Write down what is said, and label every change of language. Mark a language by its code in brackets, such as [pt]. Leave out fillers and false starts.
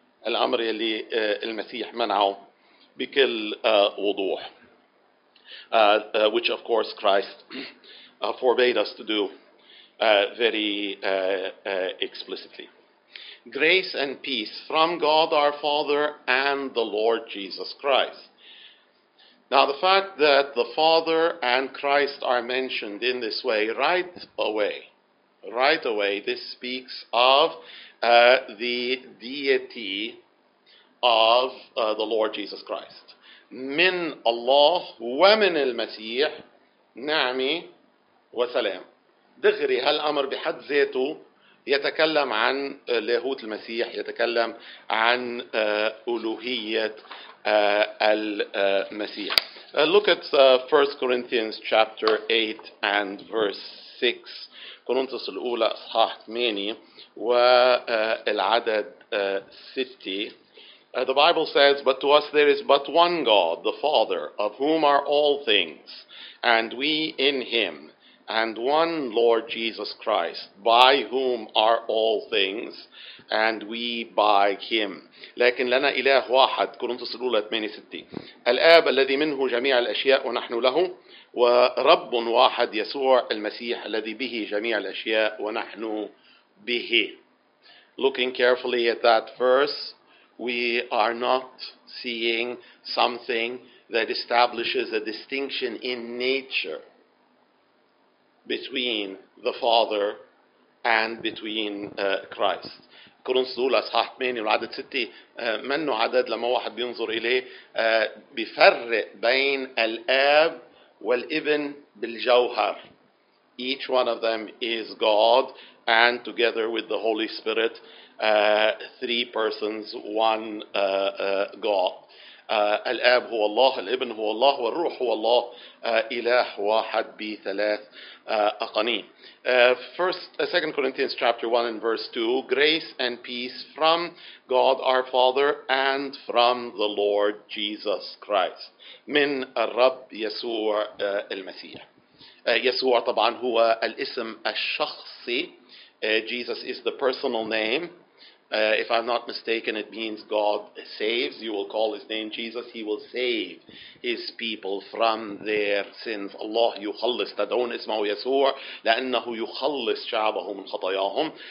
[ar] الأمر اللي المسيح منعه بكل وضوح. [en] Which of course Christ forbade us to do very explicitly. Grace and peace from God our Father and the Lord Jesus Christ. Now the fact that the Father and Christ are mentioned in this way right away, this speaks of the deity of the Lord Jesus Christ. [ar] من الله ومن المسيح نعمة وسلام. دغري هالأمر بحد ذاته يتكلم عن لاهوت المسيح، يتكلم عن ألوهية المسيح. [en] Look at 1 Corinthians chapter 8 and verse 6. [ar] كورنثوس الأولى أصحاح 8 والعدد 6. [en] The Bible says, but to us there is but one God, the Father, of whom are all things, and we in him, and one Lord Jesus Christ, by whom are all things, and we by him. [ar] لكن لنا إله واحد. كورنثوس الأولى 8:6. الآب الذي منه جميع الأشياء ونحن له، ورب واحد يسوع المسيح الذي به جميع الأشياء ونحن به. [en] Looking carefully at that verse, we are not seeing something that establishes a distinction in nature between the Father and between Christ. [ar] كورنثوس أصحاح 8 والعدد 6 منه عدد لما واحد بينظر إليه بفرق بين الآب والابن بالجوهر. [en] Each one of them is God, and together with the Holy Spirit, three persons, one God. [ar] الآب هو الله، الابن هو الله، والروح هو الله، إله واحد بثلاث أقانيم. [en] Second Corinthians chapter 1 and verse 2, grace and peace from God our Father and from the Lord Jesus Christ. [ar] من الرب يسوع المسيح. يسوع طبعا هو الاسم الشخصي. [en] Jesus is the personal name. If I'm not mistaken, it means God saves. You will call his name Jesus. He will save his people from their sins. [ar] الله يخلص. تدعون اسمه يسوع لأنه يخلص شعبه من خطاياهم.